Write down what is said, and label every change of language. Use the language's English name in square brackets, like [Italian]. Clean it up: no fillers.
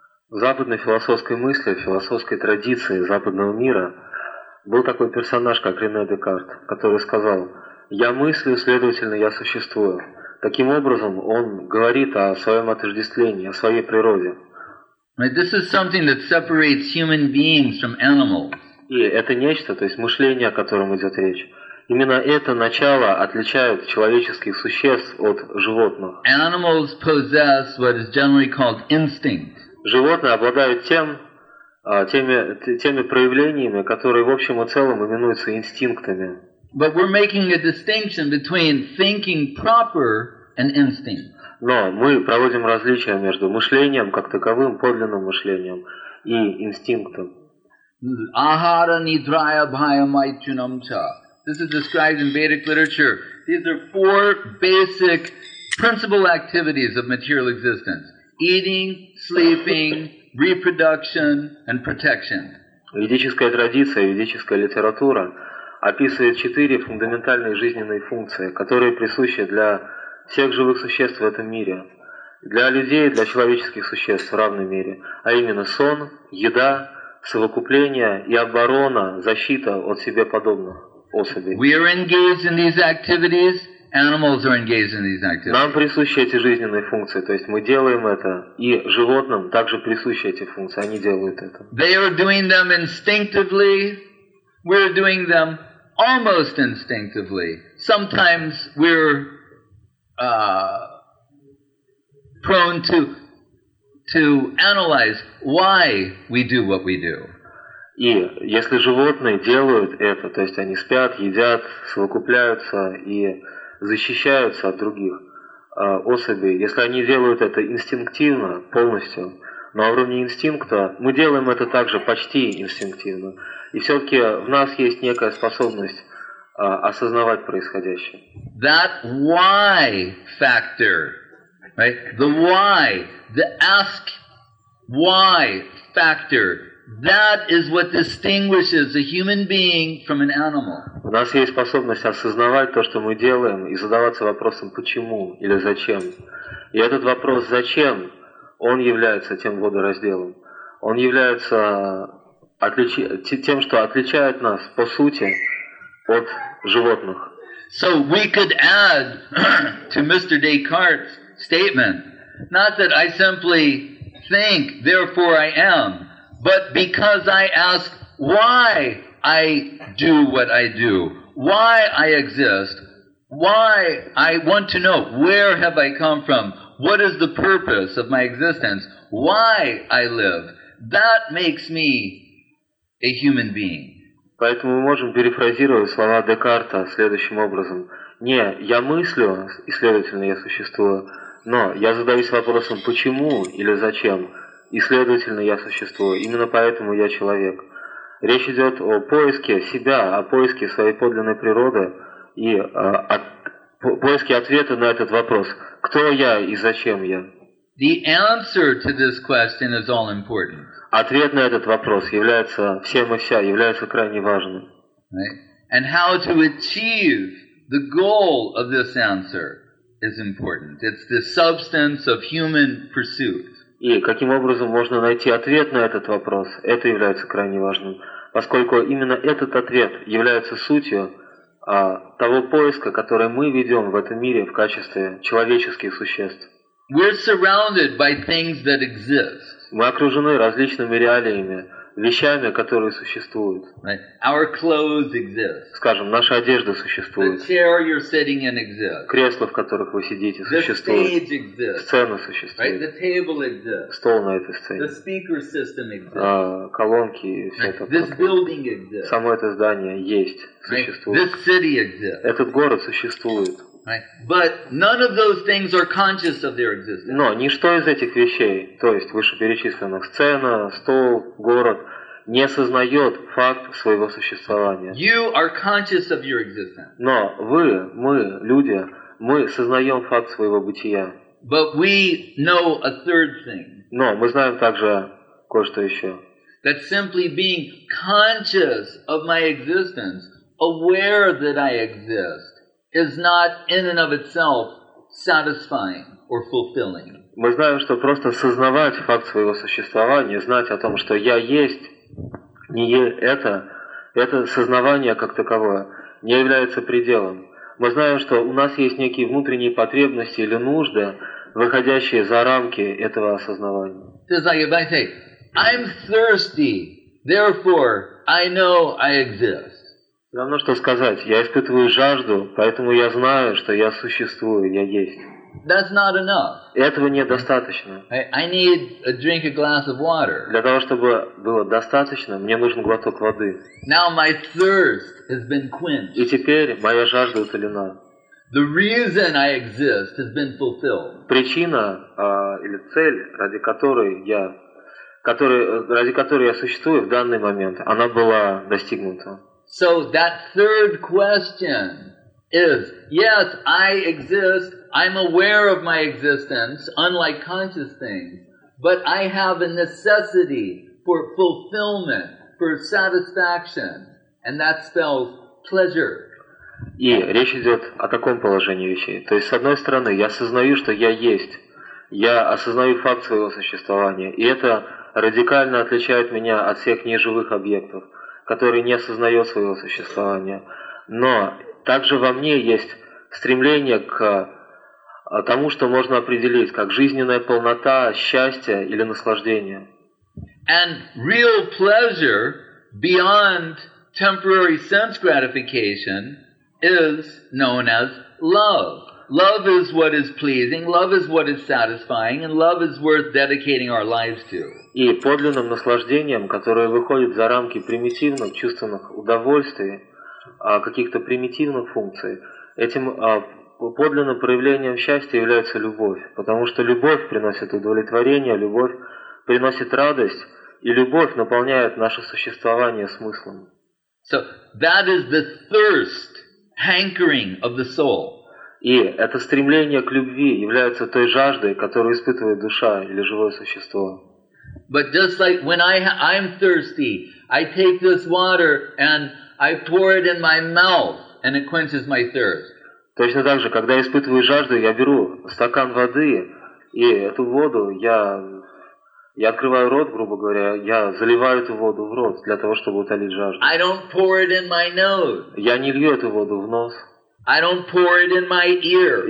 [Russian] В западной философской мысли, в философской традиции западного мира был такой персонаж, как Рене Декарт, который сказал, «Я мыслю, следовательно, я существую». Таким образом, он говорит о своем отождествлении, о своей природе. [English] This is something that separates human beings from animals. [Russian] И это нечто, то есть мышление, о котором идет речь. Именно это начало отличает человеческих существ от животных. [English] Animals possess what is generally called instinct. [Russian] Животные обладают теми проявлениями, которые в общем и целом именуются инстинктами. [English] But we're making a distinction between thinking proper and instinct. [Russian] Но мы проводим различие между мышлением как таковым, подлинным мышлением, и инстинктом. [Sanskrit] Ahara nidraya bhaya maitunam cha. [English] This is described in Vedic literature. These are four basic principal activities of material existence: eating, sleeping, reproduction, and protection. [Russian] Ведическая традиция, ведическая литература описывает четыре фундаментальные жизненные функции, которые присущи для всех живых существ в этом мире, для людей, для человеческих существ в равной мере, а именно сон, еда, совокупление и оборона, защита от себе подобных особей. [English] We are engaged in these activities. Animals are engaged in these activities. [Russian] Нам присущи эти жизненные функции, то есть мы делаем это, и животным также присущи эти функции, они делают это. [English] They are doing them instinctively. We're doing them almost instinctively. Sometimes we're prone to analyze why we do what we do. [Russian] И если животные делают это, то есть они спят, едят, совокупляются и защищаются от других особей, если они делают это инстинктивно, полностью, на уровне инстинкта, мы делаем это также почти инстинктивно. И все-таки в нас есть некая способность осознавать происходящее. [English] That why factor, right? The why, the ask why factor, that is what distinguishes a human being from an animal. [Russian] У нас есть способность осознавать то, что мы делаем, и задаваться вопросом «почему» или «зачем?». И этот вопрос «зачем?», он является тем водоразделом. Он является тем, что отличает нас, по сути, от животных. [English] So we could add to Mr. Descartes' statement, not that I simply think, therefore I am, but because I ask why I do what I do, why I exist, why I want to know where have I come from, what is the purpose of my existence, why I live, that makes me a human being. [Russian] Поэтому мы можем перефразировать слова Декарта следующим образом. Не я мыслю, и следовательно я существую, но я задаюсь вопросом почему или зачем, и следовательно я существую, именно поэтому я человек. Речь идет о поиске себя, о поиске своей подлинной природы и поиске ответа на этот вопрос. Кто я и зачем я? [English] The answer to this question is all important. [Russian] Ответ на этот вопрос является всем и вся, является крайне важным. [English] And how to achieve the goal of this answer is important. It's the substance of human pursuit. [Russian] И каким образом можно найти ответ на этот вопрос, это является крайне важным, поскольку именно этот ответ является сутью того поиска, который мы ведем в этом мире в качестве человеческих существ. [English] We're surrounded by things that exist. [Russian] Мы окружены различными реалиями, вещами, которые существуют. [English] Right. Our clothes exist. [Russian] Скажем, наша одежда существует. [English] The chair you're sitting in exists. [Russian] Кресло, в которых вы сидите, существует. [English] The stage exists. [Russian] Сцена существует. [English] Right. The table exists. [Russian] Стол на этой сцене. [English] The speaker system exists. [Russian] Колонки и все это. [English] This building exists. [Russian] Само это здание есть, существует. [English] Right. This city exists. [Russian] Этот город существует. [English] Right. But none of those things are conscious of their existence. [Russian] Но ничто из этих вещей, то есть вышеперечисленных, сцена, стол, город, не сознает факт своего существования. [English] You are conscious of your existence. [Russian] Но вы, мы, люди, мы сознаем факт своего бытия. [English] But we know a third thing. [Russian] Но мы знаем также кое-что еще. [English] That simply being conscious of my existence, aware that I exist, is not in and of itself satisfying or fulfilling. [Russian] Мы знаем, что просто сознавать факт своего существования, знать о том, что я есть, не это, это сознавание как таковое не является пределом. Мы знаем, что у нас есть некие внутренние потребности или нужды, выходящие за рамки этого осознавания. [English] It's like if I say, I'm thirsty, therefore I know I exist. [Russian] Все равно, что сказать, я испытываю жажду, поэтому я знаю, что я существую, я есть. [English] That's not enough. [Russian] Этого недостаточно. [English] I need a drink, a glass of water. [Russian] Для того, чтобы было достаточно, мне нужен глоток воды. [English] Now my thirst has been quenched. [Russian] И теперь моя жажда утолена. [English] The reason I exist has been fulfilled. [Russian] Причина или цель, ради которой я существую в данный момент, она была достигнута. [English] So that third question is, yes, I exist, I'm aware of my existence, unlike conscious things, but I have a necessity for fulfillment, for satisfaction, and that spells pleasure. [Russian] И речь идет о таком положении вещей. То есть, с одной стороны, я осознаю, что я есть. Я осознаю факт своего существования. И это радикально отличает меня от всех неживых объектов, которые не осознают своего существования. Но также во мне есть стремление к тому, что можно определить как жизненная полнота, счастье или наслаждение. [English] And real pleasure beyond temporary sense gratification is known as love. Love is what is pleasing, love is what is satisfying, and love is worth dedicating our lives to. [Russian] И подлинным наслаждением, которое выходит за рамки примитивных чувственных удовольствий, каких-то примитивных функций, этим подлинным проявлением счастья является любовь, потому что любовь приносит удовлетворение, любовь приносит радость, и любовь наполняет наше существование смыслом. [English] So that is the thirst, hankering of the soul. [Russian] И это стремление к любви является той жаждой, которую испытывает душа или живое существо. [English] But just like when I'm thirsty, I take this water and I pour it in my mouth and it quenches my thirst. [Russian] Точно так же, когда я испытываю жажду, я беру стакан воды, и эту воду я открываю рот, грубо говоря, я заливаю эту воду в рот для того, чтобы утолить жажду. [English] I don't pour it in my nose. [Russian] Я не лью эту воду в нос. [English] I don't pour it in my ear.